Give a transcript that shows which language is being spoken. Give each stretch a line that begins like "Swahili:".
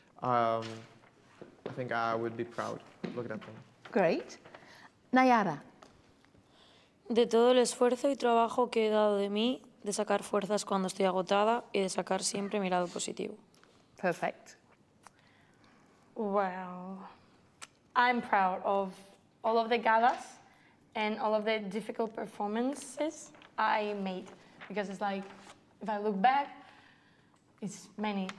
English: I think I would be proud looking at them. Great. Nayara.
Spanish: De todo el esfuerzo y trabajo que he dado de mí, de sacar fuerzas cuando estoy agotada y de sacar siempre mi lado positivo.
English: Perfect. Well, I'm proud of all of the galas and all of the difficult performances I made. Because it's like, if I look back, it's many.